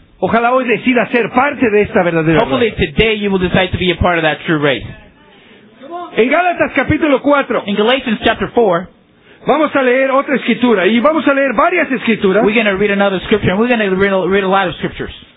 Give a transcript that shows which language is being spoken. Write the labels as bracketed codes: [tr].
[es] ojalá hoy decidas ser parte de esta verdadera raza. [en] Hopefully today you will decide to be a part of that true race. [es] En Gálatas capítulo 4. [en] In Galatians chapter 4. [es] Vamos a leer otra escritura y vamos a leer varias escrituras. [en] We're going to read another scripture and we're going to read a lot of scriptures.